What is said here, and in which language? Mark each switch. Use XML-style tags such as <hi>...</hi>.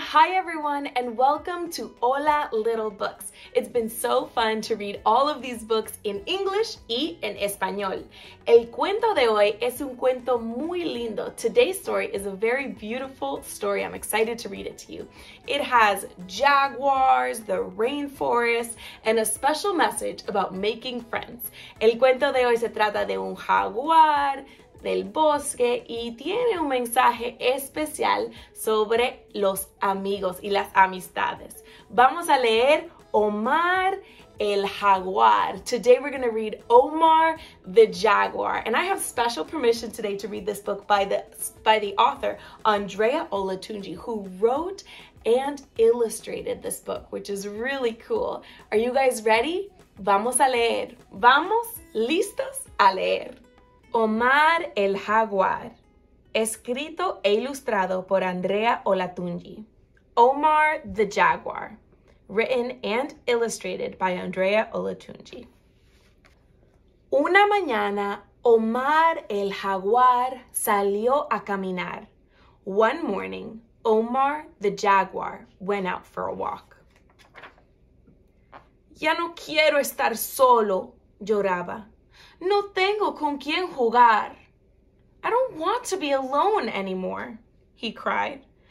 <en>Hi everyone and welcome to Hola Little Books. It's been so fun to read all of these books in English</en> <es>y en Español. El cuento de hoy es un cuento muy lindo.</es> <en>Today's story is a very beautiful story. I'm excited to read it to you. It has jaguars, the rainforest, and a special message about making friends.</en> <es>El cuento de hoy se trata de un jaguar, del bosque y tiene un mensaje especial sobre los amigos y las amistades. Vamos a leer Omar el Jaguar.</es> <en>Today we're going to read Omar the Jaguar. And I have special permission today to read this book by the author Andrea Olatunji, who wrote and illustrated this book, which is really cool. Are you guys ready?</en> <es>Vamos a leer. Vamos listos a leer. Omar el Jaguar, escrito e ilustrado por Andrea Olatunji.</es> <en>Omar the Jaguar, written and illustrated by Andrea Olatunji.</en> <es>Una mañana, Omar el Jaguar salió a caminar.</es> <en>One morning, Omar the Jaguar went out for a walk.</en> <es>Ya no quiero estar solo, lloraba. No tengo con quien jugar.</es> <en>I don't want to be alone anymore, he cried.</en>